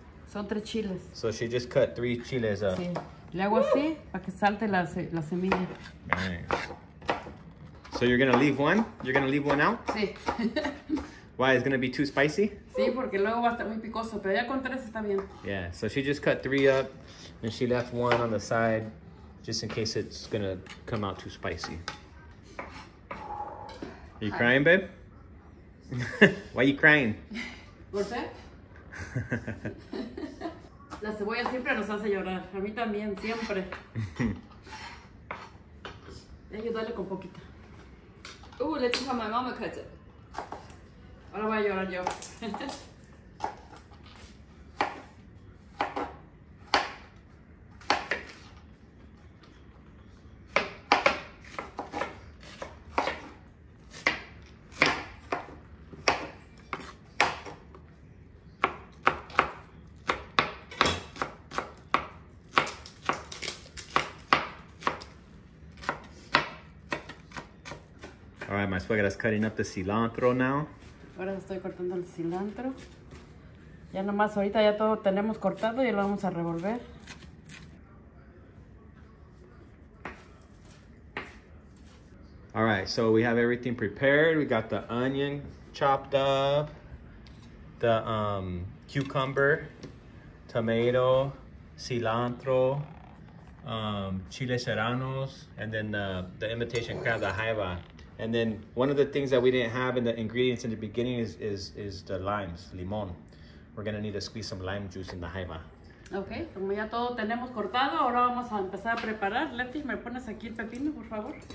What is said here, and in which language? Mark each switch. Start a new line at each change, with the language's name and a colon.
Spanish: Son tres chiles.
English: So she just cut three chiles up.
Spanish: Sí. Le hago así para que salte la semilla.
English: Nice. So you're gonna leave one? You're gonna leave one out?
Spanish: Sí.
English: Why, it's gonna be too spicy?
Spanish: Sí, porque luego va a estar muy picoso, pero ya con tres está bien.
English: Yeah, so she just cut three up and she left one on the side just in case it's gonna come out too spicy. Are you crying, babe? Why are you crying?
Spanish: ¿Por qué? La cebolla siempre nos hace llorar. A mí también, siempre. Ayúdale con poquita.
English: Ooh, let's see how my mama cuts it.
Spanish: Ahora voy a llorar yo.
English: All right, my suegra's cutting up the cilantro now.
Spanish: Ahora estoy cortando el cilantro. Ya nomás ahorita ya todo tenemos cortado y lo vamos a revolver.
English: All right, so we have everything prepared. We got the onion chopped up, the cucumber, tomato, cilantro, chile serranos, and then the imitation crab, the jaiba. And then one of the things that we didn't have in the ingredients in the beginning is the limes, limón. We're gonna need to squeeze some lime juice in the jaiba.
Spanish: Okay, como ya todo tenemos cortado, ahora vamos a empezar a preparar. Leti, ¿me pones aquí el pepino, por favor?